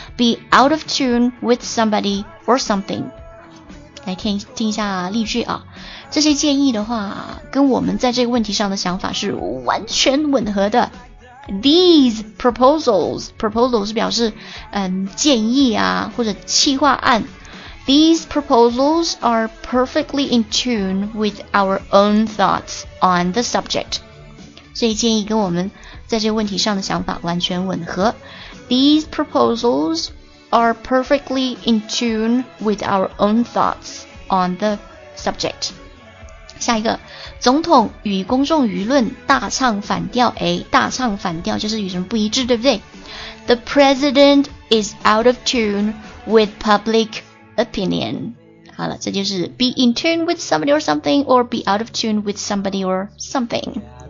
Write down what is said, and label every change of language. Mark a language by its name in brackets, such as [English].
[English] Be out of tune with somebody or something. [Chinese] 来 听一下例句啊。这些建议的话跟我们在这个问题上的想法是完全吻合的。 These proposals 是表示建议啊或者企划案。 [English] These proposals are perfectly in tune with our own thoughts on the subject. [Chinese] 所以建议跟我们在这个问题上的想法完全吻合。 [English] These proposals are perfectly in tune with our own thoughts on the subject. [Chinese] 下一个，总统与公众舆论大唱反调，哎，大唱反调就是与什么不一致，对不对？ [English] The president is out of tune with public opinion. [Chinese] 好了，这就是 [English] be in tune with somebody or something, or be out of tune with somebody or something.